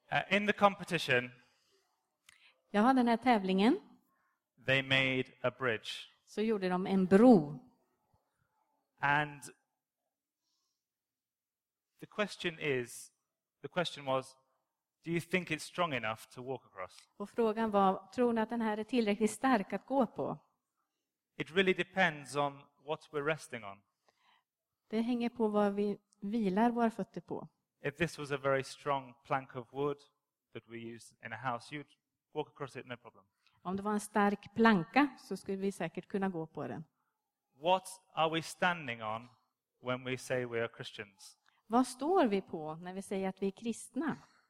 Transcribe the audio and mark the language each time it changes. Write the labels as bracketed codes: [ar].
[en] In the competition, [sv] jag hade den här tävlingen. [en] They made a bridge. [sv] Så gjorde de en bro. [en] And the question was, do you think it's strong enough to walk across? [sv] Och frågan var, tror ni att den här är tillräckligt stark att gå på? [en] It really depends on what we're resting on. [sv] Det hänger på vad vi vilar våra fötter på. [en] If this was a very strong plank of wood that we use in a house, you'd walk across it no problem. [sv] Om det var en stark planka så skulle vi säkert kunna gå på den. [en] What are we standing on when we say we are Christians? [sv] Vad står vi på när vi säger att vi är kristna?